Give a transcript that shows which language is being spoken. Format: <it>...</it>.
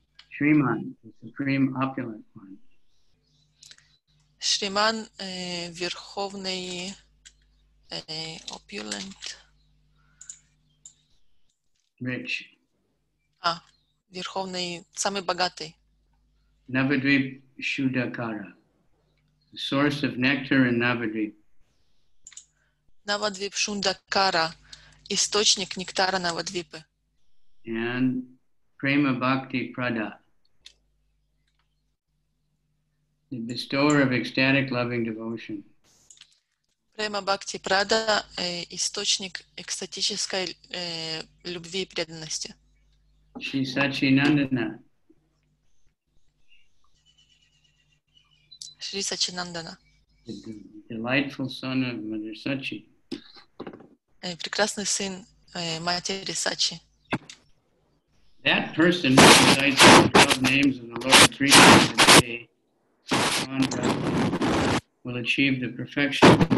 <en>Шриман, the supreme opulent one.</en> <ru>Шриман, верховный opulent.</ru> <en>Rich.</en> <ru>А, верховный, самый богатый.</ru> <en>Navadvip Shudakara, the source of nectar in Navadvip.</en> <ru>Navadvip Shudakara, источник нектара Навадвипы.</ru> <en>And Prema Bhakti Prada, the bestower of ecstatic loving devotion.</en> <ru>Према Бхакти Прада, источник экстатической любви и преданности.</ru> <sa>Шри Сачи Нандана. Шри Сачи Нандана.</sa> <en>Delightful son of Mother Sachi.</en> <ru>Прекрасный сын матери Сачи.</ru> <en>That person recites the 12 names of the Lord three times a day will achieve the perfection.</en>